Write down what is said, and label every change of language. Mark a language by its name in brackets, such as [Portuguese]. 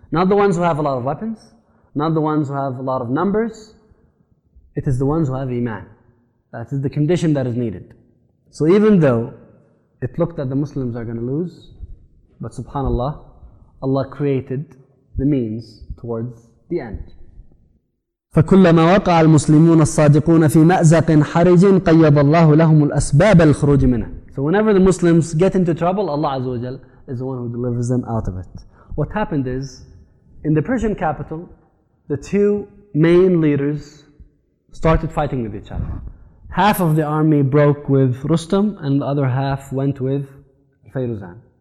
[English] Not the ones who have a lot of weapons, not the ones who have a lot of numbers. It is the ones who have iman. That is the condition that is needed. So even though it looked that the Muslims are going to lose, but subhanAllah, Allah created the means towards the end. [Arabic] فكلما وقع المسلمون الصادقون في مأزق حرج قيض الله لهم الأسباب الخروج منه. [English] So whenever the Muslims get into trouble, Allah Azza wa Jal is the one who delivers them out of it. What happened is, in the Persian capital, the two main leaders started fighting with each other. Half of the army broke with Rustam and the other half went with Feyruzan.